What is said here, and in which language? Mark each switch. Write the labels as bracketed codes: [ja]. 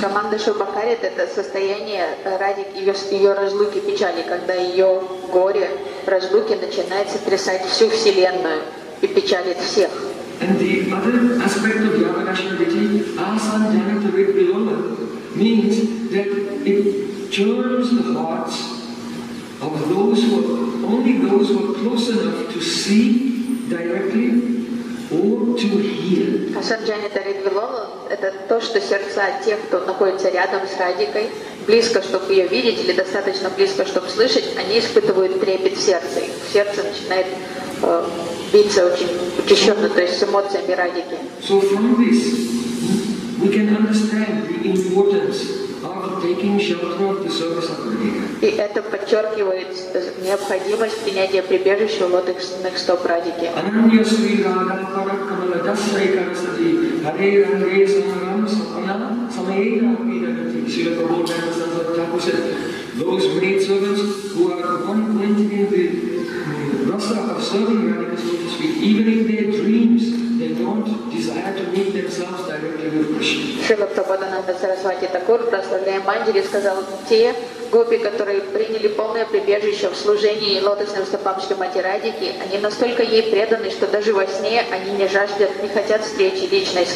[ru] Браманда Шогата Карита — это состояние Радики, ее разлуки, печали, когда ее горе, разлуки начинает сотрясать всю Вселенную и печалит всех. [en] And the other aspect of Yavada Ashrayi Vritti, Asana Janata Ritvi Lola, means that it turns the hearts of those who are, only those who are close enough to see directly or to hear. [ru] Asana Janata Ritvi Lola — это то, что сердца тех, кто находится рядом с Радикой, близко, чтобы ее видеть, или достаточно близко, чтобы слышать, они испытывают трепет в сердце. Их сердце начинает биться очень учащенно, то есть с эмоциями Радики. [en] So from this we can understand the importance of taking shelter of the service of Radhika. [ru] И это подчеркивает необходимость принятия прибежища в лотосных стоп Радики. [sa] Ананья Сри Радха Пара Камала Дасрай Карасати Харе Ранге Самарам Сапана Самаэйна Пидагати Сила Прабхупада Сазар Чакусет. [en] Those maid servants who are at one point in the rasa of serving Radhika, so to speak, even in their dreams, they don't desire to meet themselves directly with Krishna. [ru] Шрила Прабхупада Сарасвати Такур, прославляя Манджири, сказал, те гопи, которые приняли полное прибежище в служении лотосным стопам Шримати Радики, они настолько ей преданы, что даже во сне они не жаждут, не хотят встречи личной с